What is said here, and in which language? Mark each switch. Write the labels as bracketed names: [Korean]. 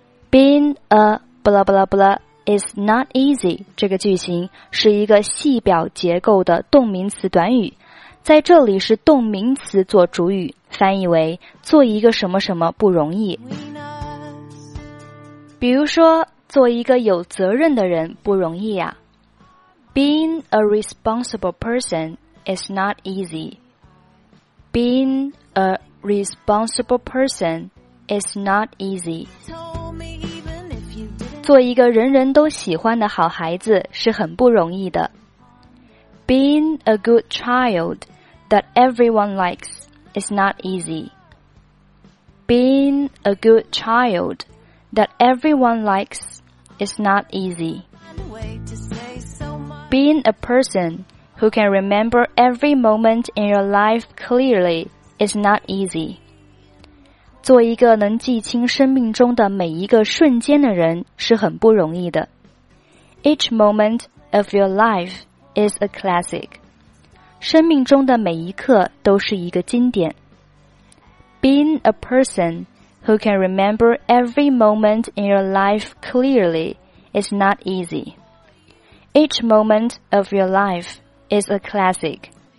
[English] Being a blah blah blah is not easy. [Chinese] 这个句型是一个系表结构的动名词短语，在这里是动名词做主语，翻译为做一个什么什么不容易。比如说，做一个有责任的人不容易啊。 [English] Being a responsible person is not easy. Being a responsible person is not easy. [Chinese] 做一个人人都喜欢的好孩子是很不容易的。 [English] Being a good child that everyone likes is not easy. Being a good child that everyone likes is not easy. Being a person who can remember every moment in your life clearly is not easy. [Chinese] 做一个能记清生命中的每一个瞬间的人是很不容易的。 [English] Each moment of your life is a classic. [Chinese] 生命中的每一刻都是一个经典。 [English] Being a person who can remember every moment in your life clearly is not easy. Each moment of your life is a classic.